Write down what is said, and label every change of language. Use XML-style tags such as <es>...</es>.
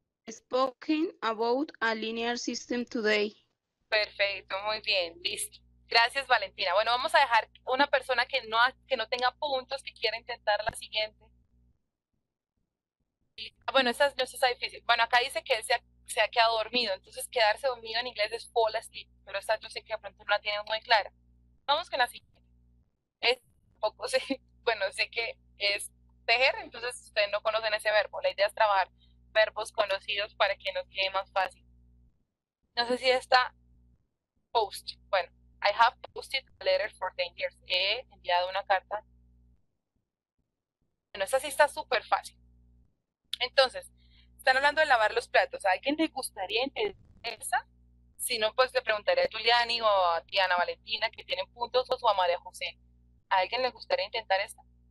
<en>Spoken about a linear system today.</en> <es>Perfecto, muy bien, listo. Gracias, Valentina. Bueno, vamos a dejar una persona que no tenga puntos, que quiera intentar la siguiente. Bueno, esa no está difícil. Bueno, acá dice que él se ha quedado dormido. Entonces, quedarse dormido en inglés es</es> <en>fall asleep.</en> <es>Pero esta yo sé que de pronto no la tiene muy clara. Vamos con la siguiente. Es poco, sí. Bueno, sé que es tejer, entonces ustedes no conocen ese verbo. La idea es trabajar verbos conocidos para que nos quede más fácil. No sé si está post. Bueno,</es> <en>I have posted a letter for 10 years.</en> <es>He enviado una carta. Bueno, esa sí está súper fácil. Entonces, están hablando de lavar los platos. ¿A alguien le gustaría entender esa? Si no, pues le preguntaría a Giuliani o a Diana Valentina, que tienen puntos, o a María José. ¿A alguien le gustaría intentar esta?</es>